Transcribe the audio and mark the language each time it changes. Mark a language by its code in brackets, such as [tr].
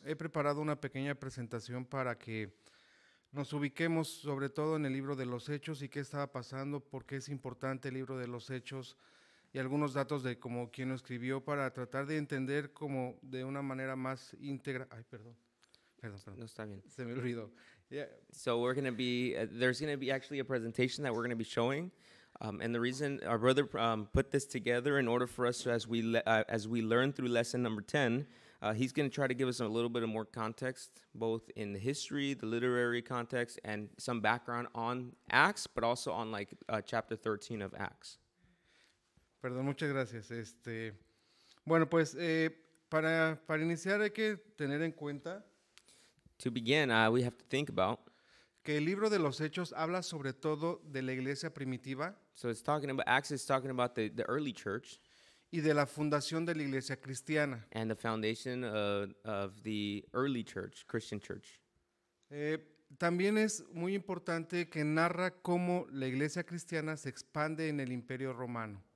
[es] He preparado una pequeña presentación para que nos ubiquemos sobre todo en el libro de los hechos y qué estaba pasando, por qué es importante el libro de los hechos y algunos datos de como quién lo escribió para tratar de entender como de una manera más íntegra. Ay, perdón. Perdón, perdón. No está bien. Se me olvidó. [en] Yeah. So we're going to be, there's going to be actually a presentation that we're going to be showing. And the reason our brother put this together in order for us to, as we learn through lesson number 10, he's going to try to give us a little bit of more context, both in the history, the literary context, and some background on Acts, but also on like chapter 13 of Acts. [es] Perdón, muchas gracias. Bueno, pues para iniciar hay que tener en cuenta. [en] To begin, we have to think about. [es] Que el libro de los hechos habla sobre todo de la iglesia primitiva. [en] So it's talking about, Acts is talking about the early church. [es] Y de la fundación de la iglesia cristiana. [en] And the foundation of the early church, Christian church. [es] También es muy importante que narra cómo la iglesia cristiana se expande en el Imperio Romano.